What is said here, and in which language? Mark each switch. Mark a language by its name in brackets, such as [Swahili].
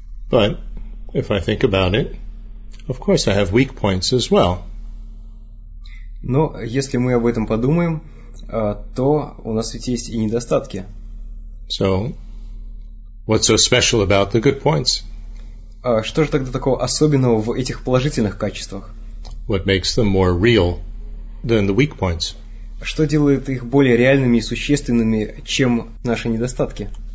[English] But if I think about it, of course I have weak points as well. [Russian] Но если мы об этом подумаем, то у нас ведь есть и недостатки. [English] So, what's so special about the good points? [Russian] Что же тогда такого особенного в этих положительных качествах? [English] What makes them more real than the weak points? [Russian] Что делает их более реальными и существенными, чем наши недостатки?